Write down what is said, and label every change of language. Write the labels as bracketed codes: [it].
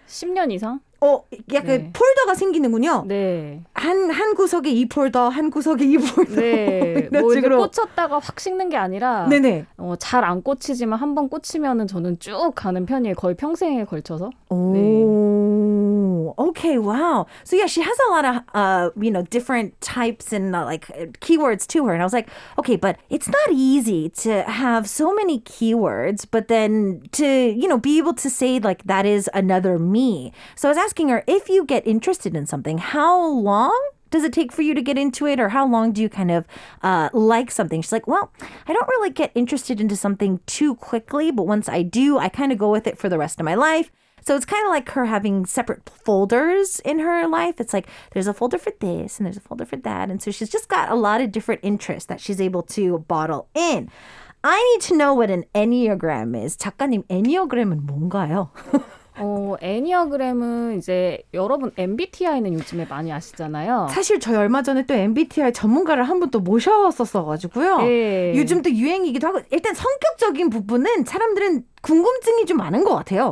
[ko] 10년 이상? 약간 네. 폴더가 생기는군요. 네. 한 구석에 이 폴더, 한 구석에 이 폴더. 네. 뭐 이제 꽂혔다가 확 식는 게 아니라 네네. 잘 안 꽂히지만 한 번 꽂히면은 저는 쭉 가는 편이에요. 거의 평생에 걸쳐서. 오. 네. Okay, wow. [en] So yeah, she has a lot of, you know, different types and like keywords to her. And I was like, okay, but it's not easy to have so many keywords, but then to, you know, be able to say like that is another me. So I was asking her, if you get interested in something, how long does it take for you to get into it? Or how long do you kind of like something? She's like, well, I don't really get interested into something too quickly. But once I do, I kind of go with it for the rest of my life. So it's kind of like her having separate folders in her life. It's like there's a folder for this and there's a folder for that. And so she's just got a lot of different interests that she's able to bottle in. I need to know what an Enneagram is. [ko] 작가님, Enneagram은 뭔가요? 애니어그램은 이제 여러분 MBTI는 요즘에 많이 아시잖아요. 사실 저희 얼마 전에 또 MBTI 전문가를 한 분 또 모셔왔었어가지고요. 네. 요즘 또 유행이기도 하고 일단 성격적인 부분은 사람들은 궁금증이 좀 많은 것 같아요.